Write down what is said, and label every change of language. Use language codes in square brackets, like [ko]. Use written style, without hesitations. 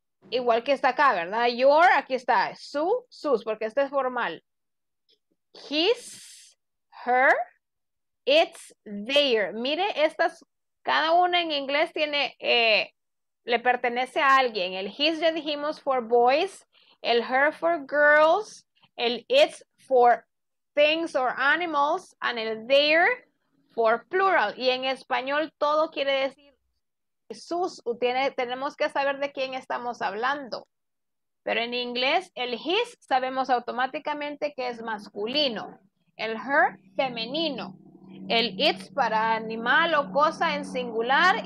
[es] Igual que está acá, ¿verdad? Your, aquí está, su, sus, porque este es formal. [en] His, her, it's their. [es] Mire, estas, cada una en inglés tiene, le pertenece a alguien. [en] El his [es] ya dijimos [en] for boys, el her for girls, el it's for things or animals, and el their for plural. [es] Y en español todo quiere decir sus, tenemos que saber de quién estamos hablando. Pero en inglés, el his sabemos automáticamente que es masculino. El her, femenino. El it's para animal o cosa en singular.